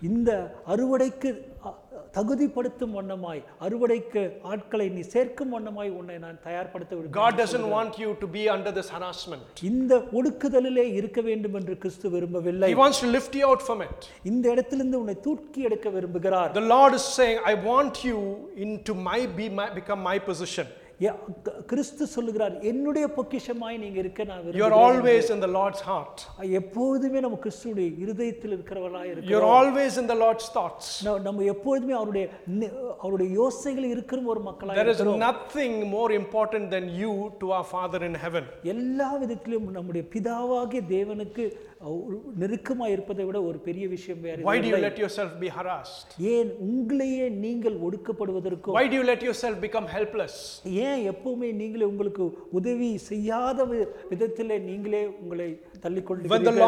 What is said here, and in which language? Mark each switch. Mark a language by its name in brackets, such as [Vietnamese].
[Tamil] இந்த அறுவடைக்கு தகுதிப்படுத்தும் வண்ணமாய், அறுவடைக்கு ஆட்களை நீ சேர்க்கும் வண்ணமாய் உன்னை நான் தயார்படுத்த விடுகிறேன். [English] God doesn't want you to be under this harassment. [Tamil] இந்த ஒடுக்குதலிலே இருக்க வேண்டும் என்று கிறிஸ்து விரும்பவில்லை. [English] He wants to lift you out from it. [Tamil] இந்த இடத்திலிருந்து உன்னை தூக்கி எடுக்க விரும்புகிறார். [English] The Lord is saying, I want you into my be my become my position. [Tamil] கிறிஸ்து சொல்லுகிறார், என்னுடைய பொக்கிஷமாய் நீங்க இருக்க நான் விரும்புகிறேன். [English] You are always in the Lord's heart. [Tamil] எப்பொழுதுமே நம்ம கிறிஸ்துவின் இருதயத்தில் இருக்கிறவளாய் இருக்கு. [English] You are always in the Lord's thoughts. [Tamil] நம்ம எப்பொழுதுமே அவருடைய யோசனைகளில் இருக்கிற ஒரு மக்களாய் இருக்கு. [English] There is nothing more important than you to our Father in heaven. [Tamil] எல்லா விதத்திலும் நம்முடைய பிதாவாகிய தேவனுக்கு நெருக்கமாய் இருப்பதை விட ஒரு பெரிய விஷயம் வேற இல்லை. [English] Why do you let yourself be harassed? [Tamil] ஏன் உங்களையே நீங்கள் ஒடுக்கப்படுவதற்கு? [English] Why do you let yourself become helpless? [Tamil] ஏன் எப்பவுமே நீங்களே உங்களுக்கு உதவி செய்யாத விதத்திலே நீங்களே உங்களை தள்ளிக்கொள்ளுகிறீர்கள்?